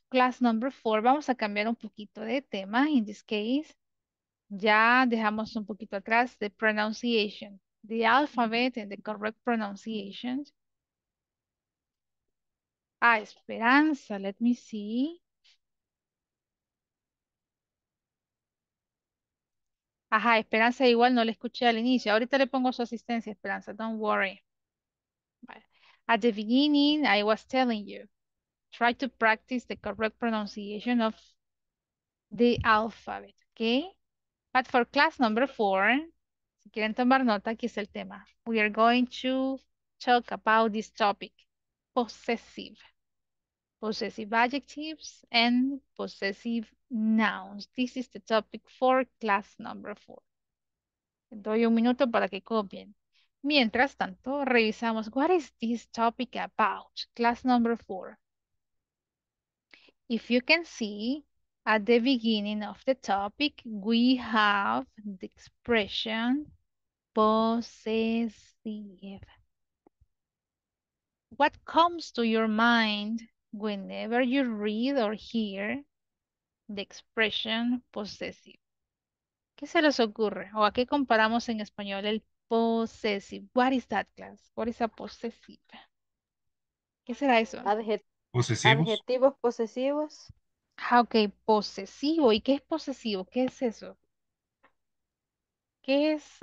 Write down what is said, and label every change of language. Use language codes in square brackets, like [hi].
[en] Class number 4, [es] vamos a cambiar un poquito de tema. [en] In this case, [es] ya dejamos un poquito atrás [en] the pronunciation, the alphabet and the correct pronunciation. Ah, Esperanza, let me see. [es] Ajá, Esperanza, igual no le escuché al inicio. Ahorita le pongo su asistencia, Esperanza, [en] don't worry. At the beginning, I was telling you, try to practice the correct pronunciation of the alphabet, okay? But for class number 4, [es] si quieren tomar nota, aquí es el tema. [en] We are going to talk about this topic, possessive. Possessive adjectives and possessive nouns. This is the topic for class number 4. [es] Doy un minuto para que copien. Mientras tanto, revisamos, [en] what is this topic about? Class number 4. If you can see, at the beginning of the topic, we have the expression possessive. What comes to your mind whenever you read or hear the expression possessive? [es] ¿Qué se les ocurre? ¿O a qué comparamos en español el possessive? [en] What is that, class? What is a possessive? [es] ¿Qué será eso? Adjetivos posesivos. Okay, posesivo. ¿Y qué es posesivo? ¿Qué es eso? ¿Qué es?